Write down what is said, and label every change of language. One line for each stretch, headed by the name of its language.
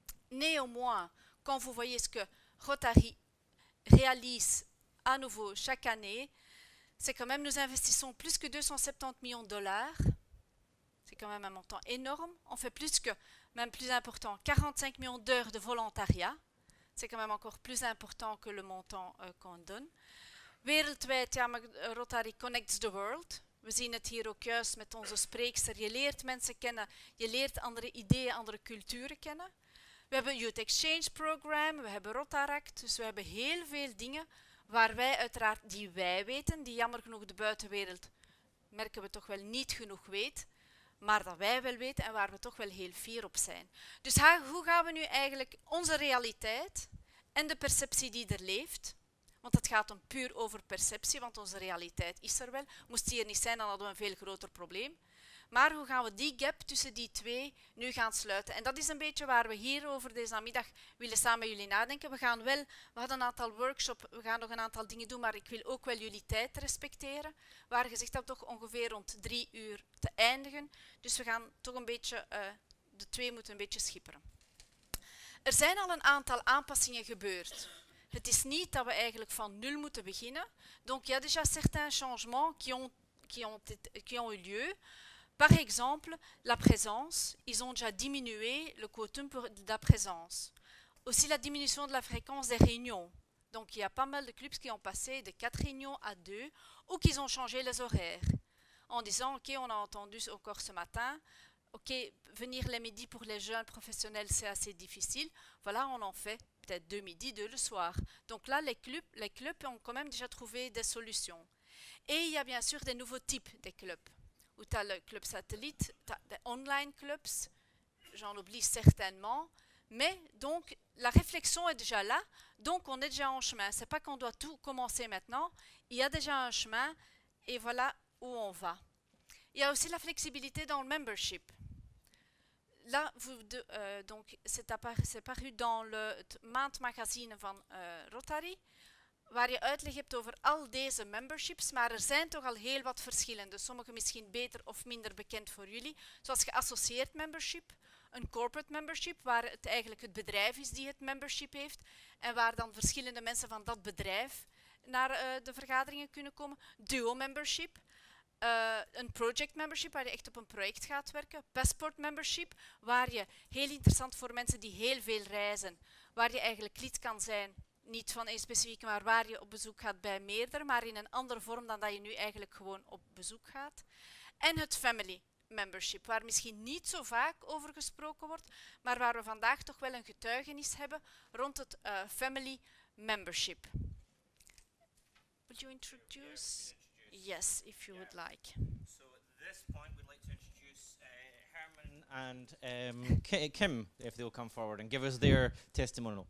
French: Néanmoins, quand vous voyez ce que Rotary réalise à nouveau chaque année, c'est quand même, nous investissons plus que 270 millions de dollars. C'est quand même un montant énorme. On fait plus que, même plus important, 45 millions d'heures de volontariat. C'est quand même encore plus important que le montant qu'on donne.
Dutch: Wereldwijd, ja,
English: Rotary connects the world.
Dutch: We zien het hier ook juist met onze spreekster. Je leert mensen kennen, je leert andere ideeën, andere culturen kennen. We hebben Youth Exchange Program, we hebben Rotaract. Dus we hebben heel veel dingen. Waar wij uiteraard, die wij weten, die jammer genoeg de buitenwereld, merken we toch wel niet genoeg weet, maar dat wij wel weten en waar we toch wel heel fier op zijn. Dus hoe gaan we nu eigenlijk onze realiteit en de perceptie die er leeft, want het gaat om puur over perceptie, want onze realiteit is er wel. Moest die er niet zijn, dan hadden we een veel groter probleem. Maar hoe gaan we die gap tussen die twee nu gaan sluiten? En dat is een beetje waar we hier over deze namiddag willen samen met jullie nadenken. We hadden een aantal workshops, we gaan nog een aantal dingen doen, maar ik wil ook wel jullie tijd respecteren. We waren gezegd dat toch ongeveer rond 3 uur te eindigen. Dus we gaan toch een beetje, de twee moeten een beetje schipperen. Er zijn al een aantal aanpassingen gebeurd. Het is niet dat we eigenlijk van nul moeten beginnen.
French: Donc, il y a déjà certains changements qui ont eu lieu. Par exemple, la présence, ils ont déjà diminué le quotum de la présence. Aussi, la diminution de la fréquence des réunions. Donc, il y a pas mal de clubs qui ont passé de 4 réunions à 2 ou qui ont changé les horaires en disant, OK, on a entendu encore ce matin, OK, venir les midis pour les jeunes professionnels, c'est assez difficile. Voilà, on en fait peut-être 2 midi, 2 le soir. Donc là, les clubs ont quand même déjà trouvé des solutions. Et il y a bien sûr des nouveaux types de clubs. Où tu as le club satellite, tu as des online clubs, j'en oublie certainement. Mais donc, la réflexion est déjà là, donc on est déjà en chemin. Ce n'est pas qu'on doit tout commencer maintenant, il y a déjà un chemin et voilà où on va. Il y a aussi la flexibilité dans le membership. Là, c'est apparu dans le
Dutch: Maand magazine van Rotary, waar je uitleg hebt over al deze memberships, maar er zijn toch al heel wat verschillende. Sommige misschien beter of minder bekend voor jullie, zoals geassocieerd membership, een corporate membership, waar het eigenlijk het bedrijf is die het membership heeft, en waar dan verschillende mensen van dat bedrijf naar de vergaderingen kunnen komen. Duo membership. Een project membership, waar je echt op een project gaat werken. Passport membership, waar je, heel interessant voor mensen die heel veel reizen, waar je eigenlijk lid kan zijn, niet van één specifieke, maar waar je op bezoek gaat bij meerdere, maar in een andere vorm dan dat je nu eigenlijk gewoon op bezoek gaat. En het family membership, waar misschien niet zo vaak over gesproken wordt, maar waar we vandaag toch wel een getuigenis hebben rond het family membership.
English: Would you introduce? Yes, if you would like. So at this point, we'd like to introduce Herman and Kim, if they will come forward and give us their testimonial.